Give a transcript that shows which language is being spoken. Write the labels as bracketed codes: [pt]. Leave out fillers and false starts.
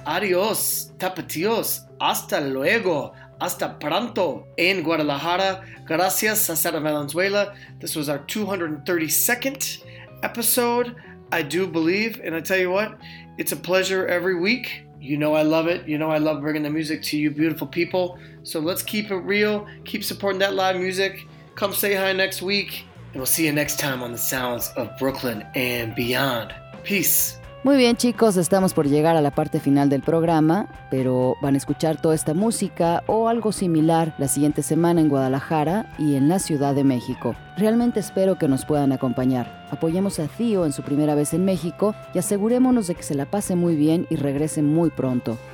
[es] Adios, tapatios, hasta luego, hasta pronto en Guadalajara. Gracias, César Valenzuela. [en] This was our 232nd episode, I do believe. And I tell you what, it's a pleasure every week. You know I love it. You know I love bringing the music to you beautiful people. So let's keep it real. Keep supporting that live music. Come say hi next week. And we'll see you next time on the Sounds of Brooklyn and Beyond. Peace. [es] Muy bien, chicos. Estamos por llegar a la parte final del programa, pero van a escuchar toda esta música o algo similar la siguiente semana en Guadalajara y en la Ciudad de México. Realmente espero que nos puedan acompañar. Apoyemos a Theo en su primera vez en México y asegurémonos de que se la pase muy bien y regrese muy pronto.